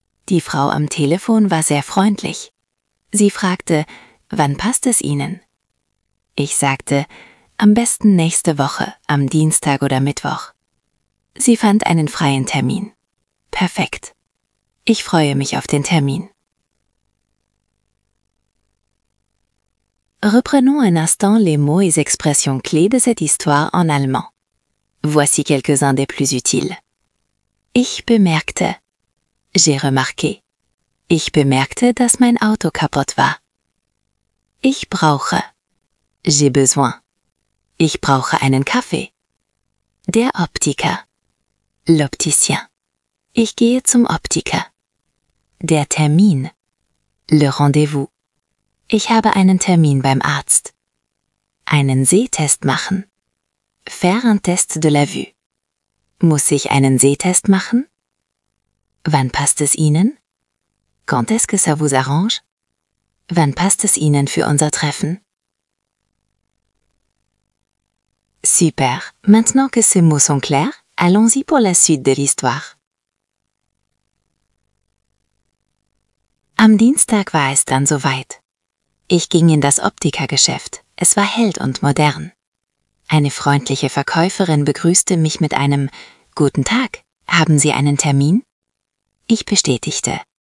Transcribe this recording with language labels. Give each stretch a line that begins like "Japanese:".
German: Die Frau am Telefon war sehr freundlich. Sie fragte, wann passt es Ihnen? Ich sagte, am besten nächste Woche, am Dienstag oder Mittwoch. Sie fand einen freien Termin. Perfekt. Ich freue mich auf den Termin.
French: Reprenons un instant les mots et expressions clés de cette histoire en allemand. Voici quelques-uns des plus utiles.
German: Ich bemerkte.
French: J'ai remarqué.
German: Ich bemerkte, dass mein Auto kaputt war. Ich brauche.
French: J'ai besoin.
German: Ich brauche einen Kaffee. Der Optiker.
French: L'opticien.
German: Ich gehe zum Optiker. Der Termin.
French: Le rendez-vous.
German: Ich habe einen Termin beim Arzt. Einen Sehtest machen.
French: Faire un test de la vue.
German: Muss ich einen Sehtest machen? Wann passt es Ihnen?
French: Quand est-ce que ça vous arrange?
German: Wann passt es Ihnen für unser Treffen? Super.
French: Maintenant que ces mots sont clairs, allons-y pour la suite de l'histoire.
German: Am Dienstag war es dann soweit. Ich ging in das Optikergeschäft. Es war hell und modern. Eine freundliche Verkäuferin begrüßte mich mit einem »Guten Tag, haben Sie einen Termin?« Ich bestätigte.